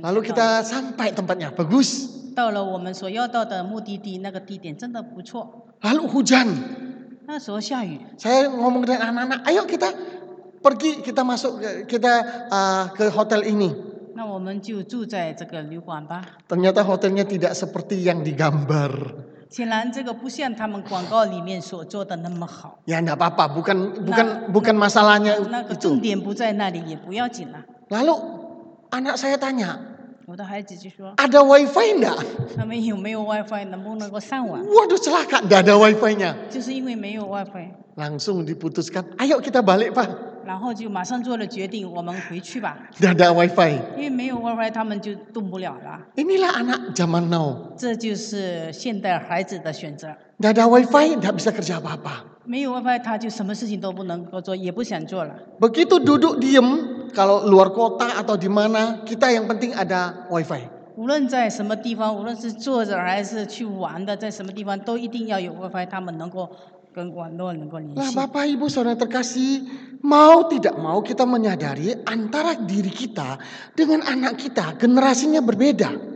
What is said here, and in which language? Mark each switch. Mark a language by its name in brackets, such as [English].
[Indonesian] Lalu kita sampai tempatnya, bagus. [Chinese] 到了我们所要到的目的地，那个地点真的不错。 [Indonesian] Lalu hujan. [Chinese] 那时候下雨。 [Indonesian] Saya ngomong dengan anak-anak, ayo kita pergi, kita masuk, kita ke hotel ini. [Chinese] 那我们就住在这个旅馆吧。 [Indonesian] Ternyata hotelnya tidak seperti yang digambar. [Chinese] 显然这个不像他们广告里面所做的那么好。 [Indonesian] Ya, enggak apa-apa, bukan masalahnya itu. [Chinese] 那个重点不在那里，也不要紧了。 [Indonesian] Lalu anak saya tanya. [Chinese] 我的孩子就说。 [Indonesian] Ada wifi enggak? [Chinese] 他们有没有 wifi, 能不能够上网？ [Indonesian] Waduh, celaka, enggak ada wifi-nya. [Chinese] 就是因为没有 wifi. [Indonesian] Langsung diputuskan, ayo kita balik, Pak. [Chinese] 然后就马上做了决定，我们回去吧。 [Indonesian] Tidak ada wifi. [Chinese] 因为没有 wifi, 他们就动不了了。 [Indonesian] Inilah anak zaman now. [Chinese] 这就是现代孩子的选择。 [Indonesian] Tidak ada wifi, tidak bisa kerja apa-apa. [Chinese] 没有 wifi, 他就什么事情都不能够做，也不想做了。 [Indonesian] Begitu duduk diem, kalau luar kota atau di mana, kita yang penting ada wifi. [Chinese] 无论在什么地方，无论是坐着还是去玩的，在什么地方都一定要有 wifi, 他们能够。 [Indonesian] Nah, Bapak, Ibu, Saudara terkasih, mau tidak mau kita menyadari antara diri kita dengan anak kita generasinya berbeda.